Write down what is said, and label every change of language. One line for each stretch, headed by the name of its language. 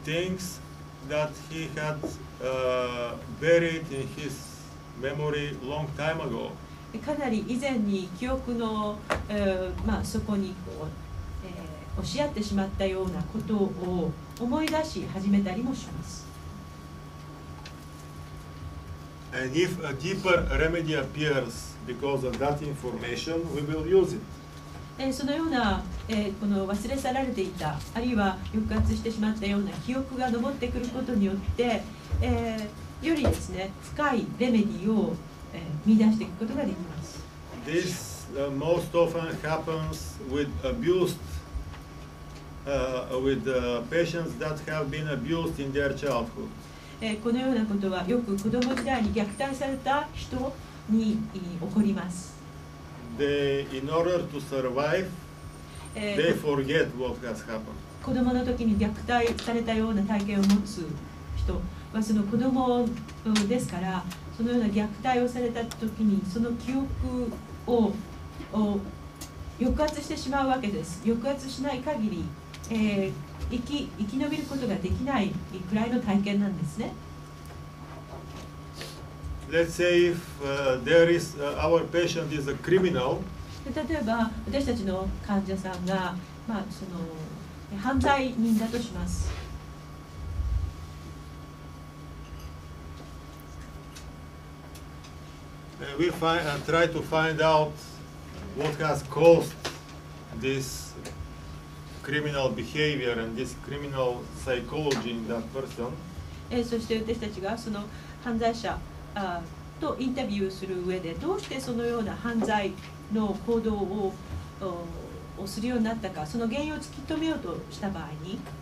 English: things that he had buried in his memory long time ago.
Japanese: かなり以前に記憶の、まあ、そこにこう。押し合ってしまったようなことを思い出し始めたりもします。
English: And if a deeper remedy appears because of that information, we will use it.
Japanese: そのような、この忘れ去られていた、あるいは抑圧してしまったような記憶が上ってくることによって、よりですね、深いレメディを、見出していくことができます。
English: This, most often happens with abused. With patients that have been abused in their childhood.
Japanese: このようなことはよく子供時代に虐待された人に起こります。
English: They, in order to survive, they forget what has happened.
Japanese: 子供の時に虐待されたような体験を持つ人はその子供ですから、そのような虐待をされた時にその記憶を抑圧してしまうわけです。抑圧しない限り。生き延びることができないくらいの体験なんですね。
English: Let's say if there is our patient is a criminal.
Japanese: 例えば私たちの患者さんが、まあ、その犯罪人だとします。
English: We find and try to find out what has caused this. criminal behavior and this criminal psychology in that person.
Japanese: そして私たちがその犯罪者とインタビューする上でどうしてそのような犯罪の行動をするようになったか、その原因を突き止めようとした場合に、